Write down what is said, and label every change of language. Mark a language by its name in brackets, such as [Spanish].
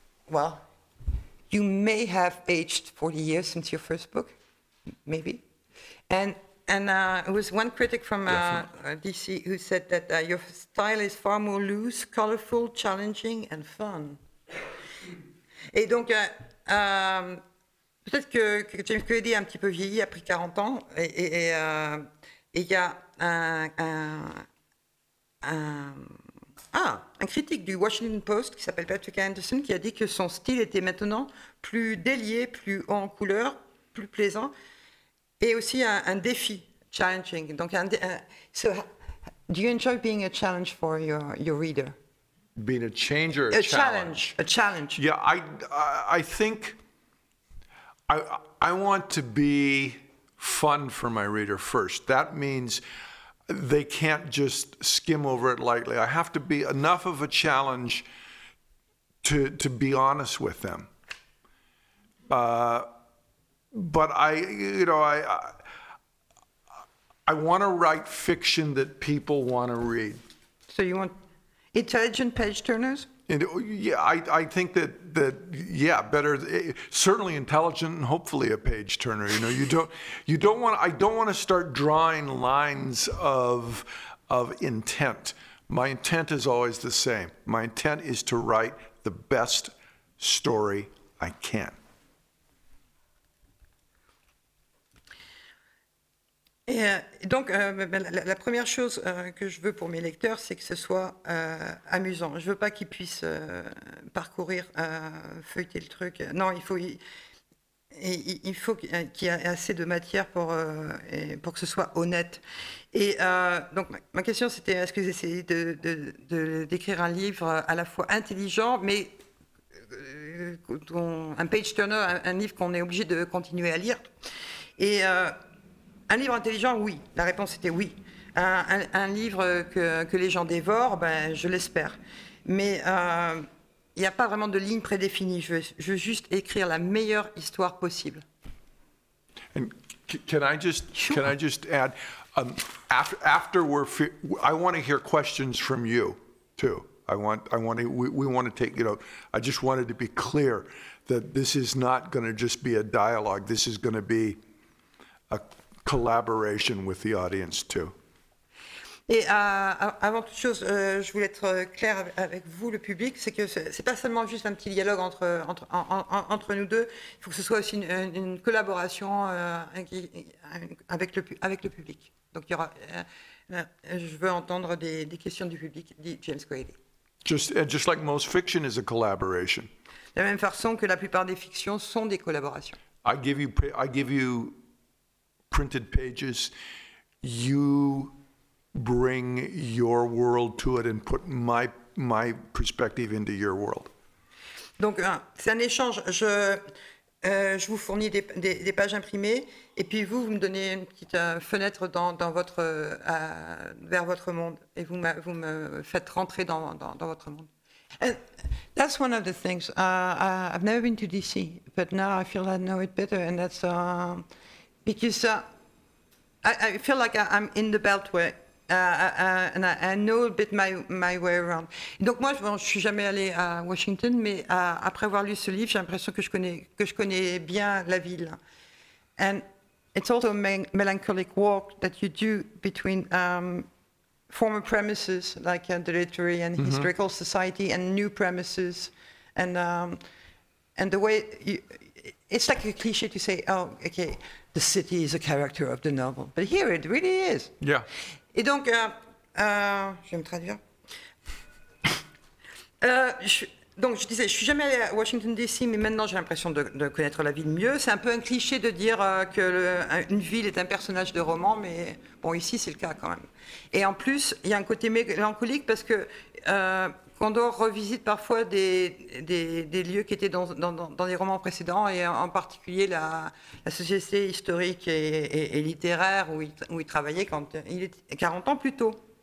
[English] Well, you may have aged 40 years since your first book, maybe. And And it was one critic from DC who said that your style is far more loose, colorful, challenging, and fun. [French] Et donc, peut-être que James Cuddy a un petit peu vieilli, a pris 40 ans, et il y a un critique du Washington Post qui s'appelle Patrick Anderson qui a dit que son style était maintenant plus délié, plus haut en couleur, plus plaisant, et aussi un défi, challenging. [English] Donc, so, do you enjoy being a challenge for your reader? Being a changer, a challenge. Challenge, a challenge. Yeah, I think I want to be fun for my reader first. That means they can't just skim over it lightly. I have to be enough of a challenge to be honest with them. But I want to write fiction that people want to read. So you want intelligent page turners? I think better, certainly intelligent and hopefully a page turner. You know, I don't want to start drawing lines of intent. My intent is always the same. My intent is to write the best story I can. [French] Et donc, la première chose que je veux pour mes lecteurs, c'est que ce soit amusant. Je ne veux pas qu'ils puissent parcourir, feuilleter le truc. Non, il faut qu'il y ait assez de matière pour que ce soit honnête. Et donc, ma question, c'était, est-ce que vous essayez de d'écrire un livre à la fois intelligent, mais un page-turner, un livre qu'on est obligé de continuer à lire. Et... un livre intelligent, oui. La réponse était oui. Un livre que les gens dévorent, ben, je l'espère. Mais il n'y a pas vraiment de ligne prédéfinie. Je veux juste écrire la meilleure histoire possible. [English] And can I just add, I want to hear questions from you too. We want to take, you know, I just wanted to be clear that this is not going to just be a dialogue. This is going to be collaboration with the audience too. [French] Et avant toute chose, je voulais être clair avec vous, le public, c'est que c'est pas seulement juste un petit dialogue entre nous deux. Il faut que ce soit aussi une collaboration avec le public. Donc il y aura. Je veux entendre des questions du public, dit James Grady. [English] Just like most fiction is a collaboration. [French] De la même façon que la plupart des fictions sont des collaborations. [English] I give you printed pages, you bring your world to it and put my perspective into your world. [French] Donc c'est un échange. Je vous fournis des pages imprimées et puis vous me donnez une petite fenêtre vers votre monde et vous me faites rentrer dans votre monde. [English] And that's one of the things. I've never been to DC, but now I feel I know it better, and that's because. I feel like I'm in the beltway, and I know a bit my way around. [French] Donc moi, bon, je suis jamais allée à Washington, mais après avoir lu ce livre, j'ai l'impression que je connais bien la ville. [English] And it's also a melancholic walk that you do between former premises like the Literary and mm-hmm. Historical Society and new premises, and the way it's like a cliche to say, oh, okay. The city is a character of the novel, but here it really is. Yeah. [French] Et donc, je vais me traduire. je disais, je suis jamais allée à Washington DC, mais maintenant j'ai l'impression de connaître la ville mieux. C'est un peu un cliché de dire qu'une ville est un personnage de roman, mais bon, ici c'est le cas quand même. Et en plus, il y a un côté mélancolique parce que Condor revisite parfois des lieux qui étaient dans les romans précédents, et en particulier la société historique et littéraire où il travaillait quand il était 40 ans plus tôt.